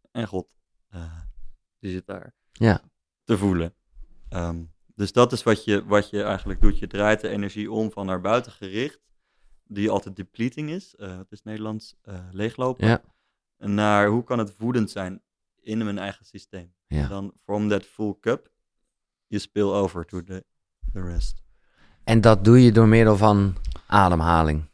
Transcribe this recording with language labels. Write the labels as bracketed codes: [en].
[nl] En God, die zit daar te voelen. Dus dat is wat je eigenlijk doet. Je draait de energie om van naar buiten gericht, die altijd depleting is. Het is Nederlands leeglopen. Ja. Naar hoe kan het voedend zijn in mijn eigen systeem. Yeah. Dan [en] from that full cup, you spill over to the rest. [nl] En dat doe je door middel van ademhaling?